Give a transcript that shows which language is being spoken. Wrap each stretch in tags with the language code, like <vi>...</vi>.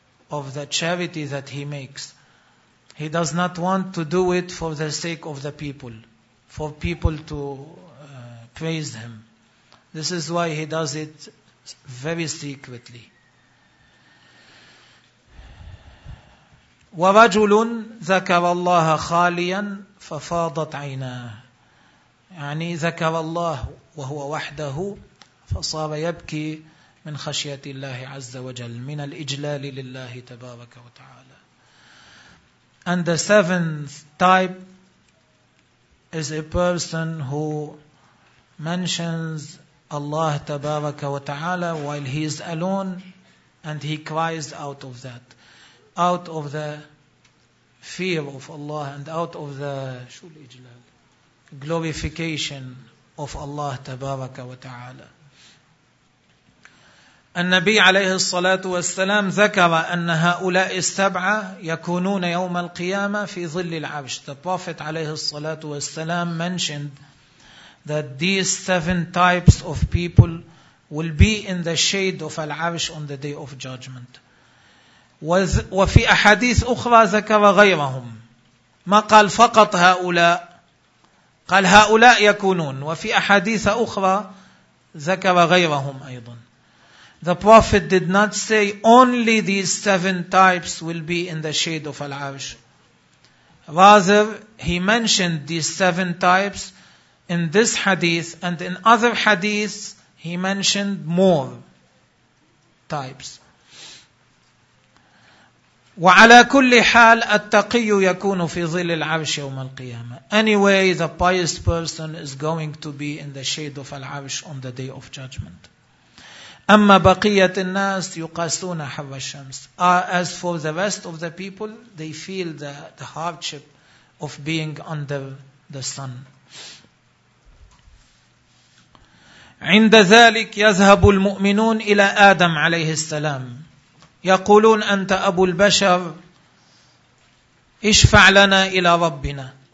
<en>of the charity that he makes. He does not want to do it for the sake of the people, for people to praise him. This is why he does it very secretly.</en> <ar>وَرَجُلٌ ذَكَرَ اللَّهَ خَالِيًا فَفَاضَتْ عَيْنَاهُ يعني ذكر الله وهو وحده فصار يبكي من خشية الله عز وجل من الإجلال لله تبارك وتعالى.</ar> <en>And the seventh type is a person who mentions Allah</en> <ar>تبارك وتعالى</ar> <en>while he is alone and he cries out of that, out of the fear of Allah and out of the glorification of Allah تبارك وتعالى.</en> <ar>النبي عليه الصلاة والسلام ذكر أن هؤلاء السبعة يكونون يوم القيامة في ظل العرش.</ar> <en>The Prophet</en> <ar>عليه الصلاة والسلام</ar> <en>mentioned that these seven types of people will be in the shade of العرش on the day of judgment.</en> <ar>وفي أحاديث أخرى ذكر غيرهم. ما قال فقط هؤلاء، قال هؤلاء يكونون. وفي أحاديث أخرى ذكر غيرهم أيضا.</ar> <en>The Prophet did not say only these seven types will be in the shade of Al-Arsh. Rather, he mentioned these seven types in this hadith, and in other hadiths he mentioned more types.</en> <ar>وعلى كل حال التقي يكون في ظل العرش يوم القيامة.</ar> <en>Anyway, the pious person is going to be in the shade of Al-Arsh on the day of judgment.</en> <ar>أما بقية الناس يقاسون حر الشمس.</ar> <en>As for the rest of the people, they feel the hardship of being under the sun.</en> <ar>عند ذلك يذهب المؤمنون إلى آدم عليه السلام. يقولون أنت أبو البشر اشفع لنا إلى ربنا.</ar>